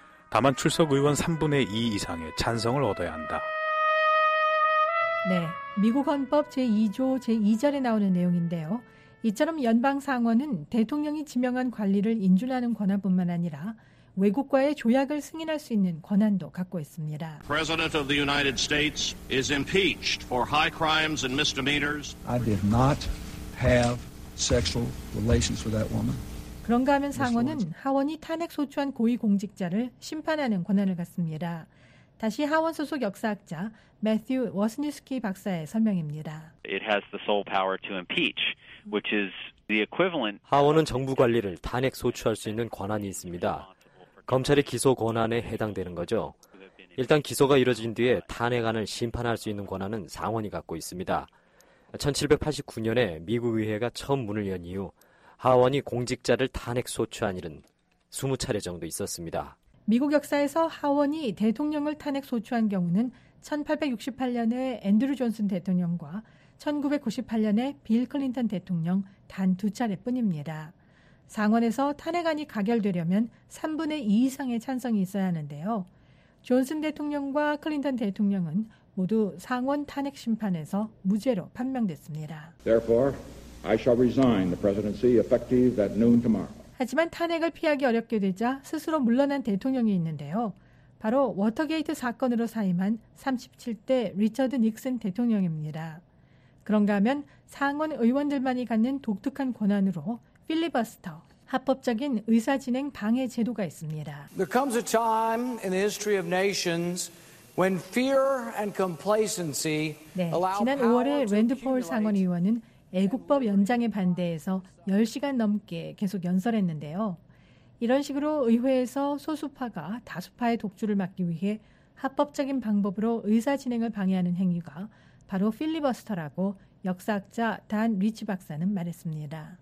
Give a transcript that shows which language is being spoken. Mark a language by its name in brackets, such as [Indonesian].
[Korean] 다만 출석 의원 3분의 2 이상의 찬성을 얻어야 한다. 네, 미국 헌법 제2조 제2절에 나오는 내용인데요. 이처럼 연방 상원은 대통령이 지명한 관리를 인준하는 권한뿐만 아니라 외국과의 조약을 승인할 수 있는 권한도 갖고 있습니다. [English] President of the United States is impeached for high crimes and misdemeanors. I did not have sexual relations with that woman. [Korean] 그런가 하면 상원은 하원이 탄핵 소추한 고위 공직자를 심판하는 권한을 갖습니다. 다시 하원 소속 역사학자 매튜 워스니스키 박사의 설명입니다. [English] It has the sole power to impeach, which is the equivalent. [Korean] 하원은 정부 관리를 탄핵 소추할 수 있는 권한이 있습니다. 검찰의 기소 권한에 해당되는 거죠. 일단 기소가 이루어진 뒤에 탄핵안을 심판할 수 있는 권한은 상원이 갖고 있습니다. 1789년에 미국 의회가 처음 문을 연 이후 하원이 공직자를 탄핵 소추한 일은 20차례 정도 있었습니다. 미국 역사에서 하원이 대통령을 탄핵 소추한 경우는 1868년에 앤드루 존슨 대통령과 1998년에 빌 클린턴 대통령 단 두 차례뿐입니다. 상원에서 탄핵안이 가결되려면 3분의 2 이상의 찬성이 있어야 하는데요. 존슨 대통령과 클린턴 대통령은 모두 상원 탄핵 심판에서 무죄로 판명됐습니다. [English] Therefore, I shall resign the presidency effective at noon tomorrow. [Korean] 하지만 탄핵을 피하기 어렵게 되자 스스로 물러난 대통령이 있는데요. 바로 워터게이트 사건으로 사임한 37대 리처드 닉슨 대통령입니다. 그런가 하면 상원 의원들만이 갖는 독특한 권한으로 필리버스터, 합법적인 의사진행 방해 제도가 있습니다. [English] There comes a time in the history of nations when fear and complacency allow. [Korean] 지난 5월에 랜드 폴 상원 의원은 애국법 연장에 반대해서 10시간 넘게 계속 연설했는데요. 이런 식으로 의회에서 소수파가 다수파의 독주를 막기 위해 합법적인 방법으로 의사진행을 방해하는 행위가 바로 필리버스터라고 역사학자 단 리치 박사는 말했습니다.